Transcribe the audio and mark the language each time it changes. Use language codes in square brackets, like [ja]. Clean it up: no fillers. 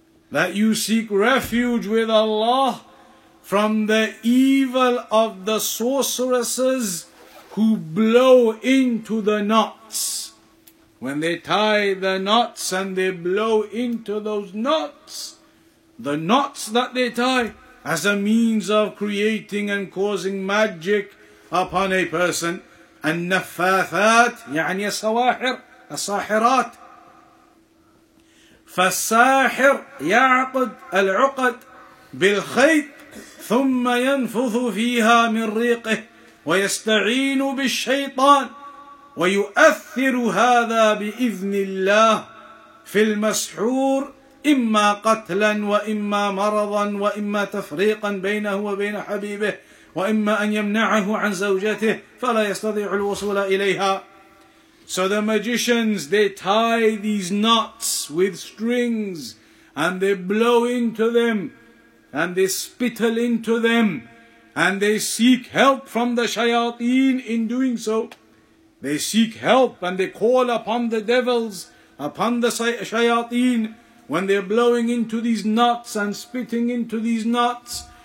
[en] That you seek refuge with Allah from the evil of the sorceresses who blow into the knots. When they tie the knots and they blow into those knots, the knots that they tie as a means of creating and causing magic upon a person. [ar] النفاثات يعني السواحر الساحرات. فالساحر يعقد العقد بالخيط ثم ينفث فيها من ريقه ويستعين بالشيطان ويؤثر هذا بإذن الله في المسحور إما قتلا وإما مرضا وإما تفريقا بينه وبين حبيبه وإما أن يمنعه عن زوجته فلا يستطيع الوصول إليها. [en] So the magicians, they tie these knots with strings and they blow into them and they spittle into them and they seek help from the shayateen in doing so. They seek help and they call upon the devils, upon the shayateen, when they're blowing into these knots and spitting into these knots.